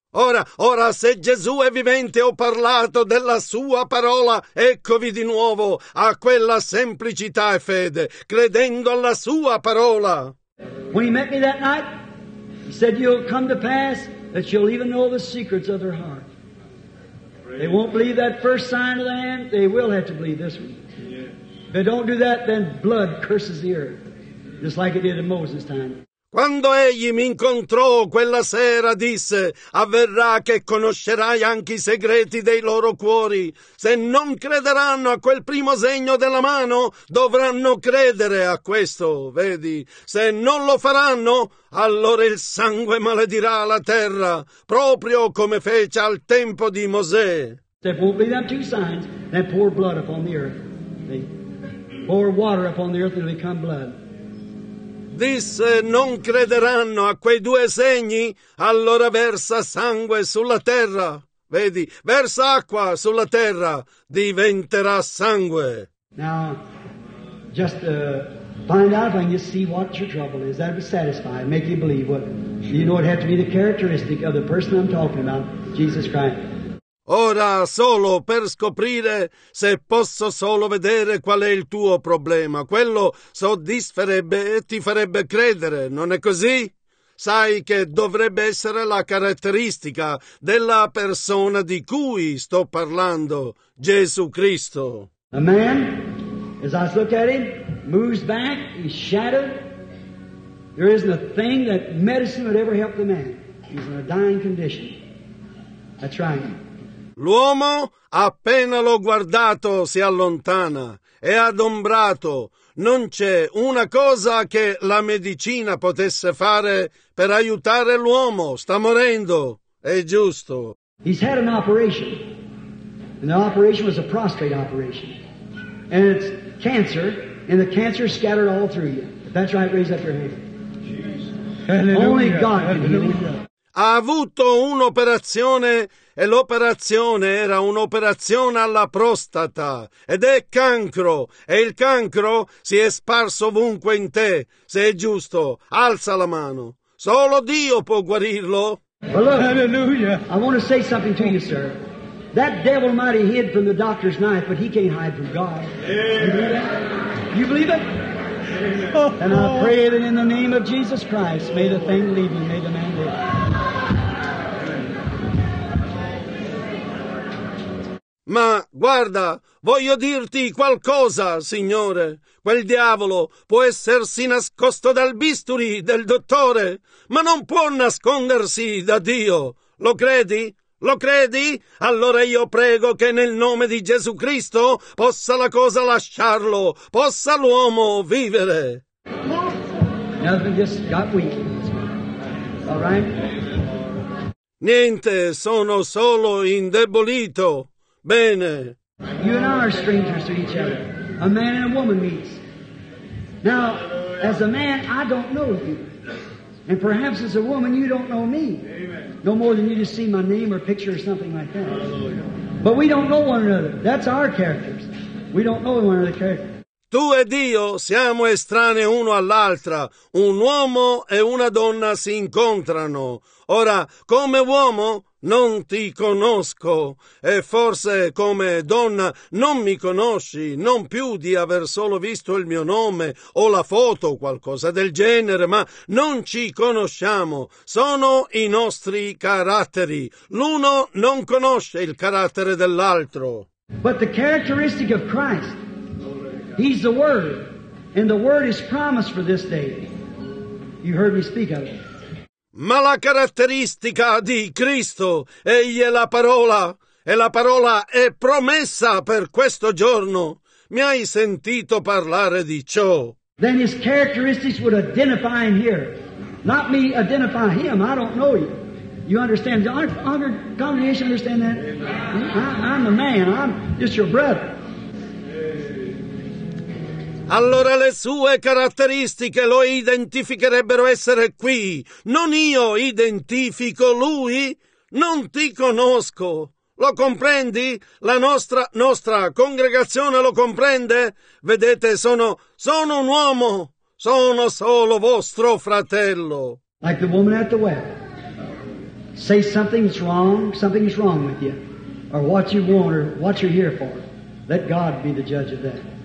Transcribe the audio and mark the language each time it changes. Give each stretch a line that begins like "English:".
Italian: Ora, se Gesù è vivente, ho parlato della sua parola, eccovi di nuovo a quella semplicità e fede, credendo alla sua parola.
English: When he met me that night, he said, you'll come to pass that you'll even know the secrets of their heart. They won't believe that first sign of the hand, they will have to believe this one. Yeah. If they don't do that, then blood curses the earth. Just like it did in Moses' time.
Italian: Quando egli mi incontrò quella sera, disse: avverrà che conoscerai anche i segreti dei loro cuori. Se non crederanno a quel primo segno della mano, dovranno credere a questo, vedi? Se non lo faranno, allora il sangue maledirà la terra, proprio come fece al tempo di Mosè.
English: There won't be them two signs, then pour blood upon the earth. They pour water upon the earth and it'll become blood.
Italian: Disse, non crederanno a quei due segni, allora versa sangue sulla terra. Vedi, versa acqua sulla terra, diventerà sangue.
English: Now, just find out when you see what your trouble is. That would satisfy, make you believe. What, you know, it had to be the characteristic of the person I'm talking about, Jesus Christ.
Italian: Ora, solo per scoprire se posso solo vedere qual è il tuo problema, quello soddisferebbe e ti farebbe credere, non è così? Sai che dovrebbe essere la caratteristica della persona di cui sto parlando, Gesù Cristo.
English: A man, as I look at him, moves back, he's shattered. There isn't a thing that medicine would ever help the man. He's in a dying condition. That's right.
Italian: L'uomo, appena l'ho guardato, si allontana, è adombrato. Non c'è una cosa che la medicina potesse fare per aiutare l'uomo. Sta morendo. È giusto.
English: He's had an operation. And the operation was a prostate operation. And it's cancer. And the cancer scattered all through you. If that's right, raise up your hand. Jesus. Only God can heal.
Italian: Ha avuto un'operazione e l'operazione era un'operazione alla prostata ed è cancro e il cancro si è sparso ovunque in te. Se è giusto, alza la mano. Solo Dio può guarirlo.
English: Well, look, hallelujah. I want to say something to you, sir. That devil might have hid from the doctor's knife, but he can't hide from God. Amen. You believe it? Amen. And I pray that in the name of Jesus Christ, may the thing leave you, may the man live.
Italian: Ma guarda, voglio dirti qualcosa, Signore. Quel diavolo può essersi nascosto dal bisturi del dottore, ma non può nascondersi da Dio. Lo credi? Lo credi? Allora io prego che nel nome di Gesù Cristo possa la cosa lasciarlo, possa l'uomo vivere.
English: Nothing just got weak. All right?
Italian: Niente, sono solo indebolito. Bene.
English: You and I are strangers to each other. A man and a woman meets. Now, as a man, I don't know you. And perhaps as a woman, you don't know me. Amen. No more than you just see my name or picture or something like that. But we don't know one another. That's our characters. We don't know one another's characters.
Italian: Tu ed io siamo estranei uno all'altra. Un uomo e una donna si incontrano. Ora, come uomo, non ti conosco. E forse come donna non mi conosci, non più di aver solo visto il mio nome o la foto o qualcosa del genere, ma non ci conosciamo. Sono i nostri caratteri. L'uno non conosce il carattere dell'altro.
English: But the characteristic of Christ. He's the Word, and the Word is promised for this day. You heard me speak of it.
Italian: Ma la caratteristica di Cristo, egli è la parola, e la parola è promessa per questo giorno. Mi hai sentito parlare di ciò?
English: then his characteristics would identify him here. Not me identify him. I don't know you. You understand? The honored congregation understand that? I'm the man. I'm just your brother.
Italian: Allora le sue caratteristiche lo identificherebbero essere qui. Non io identifico lui. Non ti conosco. Lo comprendi? La nostra congregazione lo comprende? Vedete, sono un uomo. Sono solo vostro fratello.
English: Like the woman at the well. Say something's wrong with you. Or what you want or what you're here for. Let God be the judge of that.